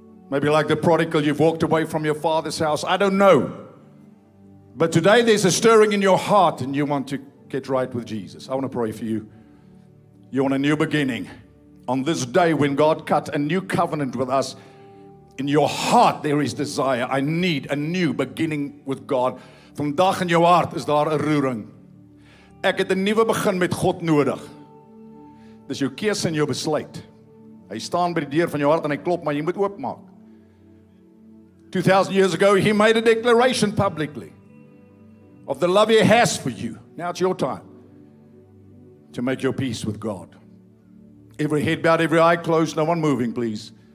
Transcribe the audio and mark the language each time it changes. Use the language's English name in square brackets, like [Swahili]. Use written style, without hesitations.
[English] Maybe like the prodigal, you've walked away from your father's house. I don't know. But today there's a stirring in your heart and you want to get right with Jesus. I want to pray for you. You want a new beginning. On this day when God cut a new covenant with us, in your heart there is desire. I need a new beginning with God. [Afrikaans] Vandaag in jouw hart is daar 'n roering. Ek het 'n nuwe begin met God nodig. Dis jou keuse en jou besluit. Hy staan by die deur van jou hart en hy klop, maar jy moet oopmaak. [English] 2000 years ago, he made a declaration publicly of the love he has for you. Now it's your time to make your peace with God. Every head bowed, every eye closed, no one moving, please.